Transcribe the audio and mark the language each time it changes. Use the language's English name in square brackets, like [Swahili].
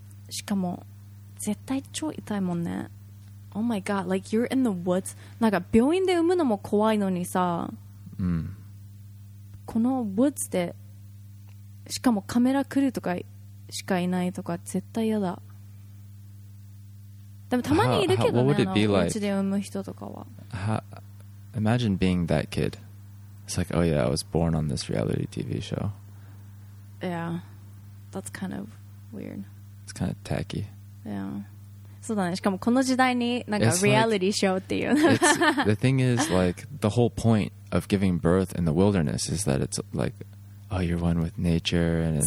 [Japanese] しかも、絶対超痛いもんね。 [English] Oh my god, like you're in the woods. [Japanese] なんか病院で産むのも怖いのにさ。うん。この woods で、しかもカメラ来るとかしかいないとか絶対嫌だ。でもたまにいるけどね、 [English] what would it be like? [Japanese] お家で産む人とかは。 [English] Imagine being that kid. It's like, oh yeah, I was born on this reality TV show. Yeah, that's kind of weird. It's kind of tacky. [Japanese] Yeah. そうだね。しかもこの時代になんか reality show っていう。 [English] The thing is, like, the whole point of giving birth in the wilderness is that it's like, oh, you're one with nature and it's,